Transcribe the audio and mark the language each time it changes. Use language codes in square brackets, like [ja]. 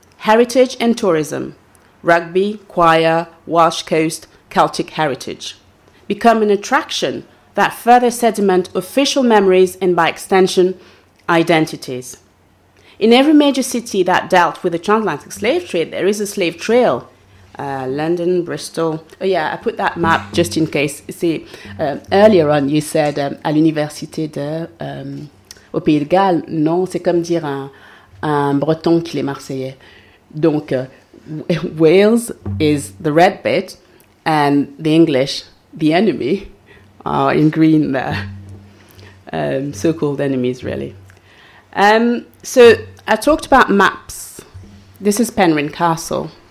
[en] Heritage and tourism, rugby, choir, Welsh coast, Celtic heritage become an attraction that further sediment official memories and, by extension, identities. In every major city that dealt with the transatlantic slave trade, there is a slave trail. London, Bristol. Oh yeah, I put that map just in case. See, earlier on you said [fr] à l'université de... au Pays de Galles, non, c'est comme dire un Breton qu'il est Marseillais. [en] Donc, Wales is the red bit, and the English, the enemy, are in green there. So-called enemies, really. So, I talked about maps. This is Penryn Castle.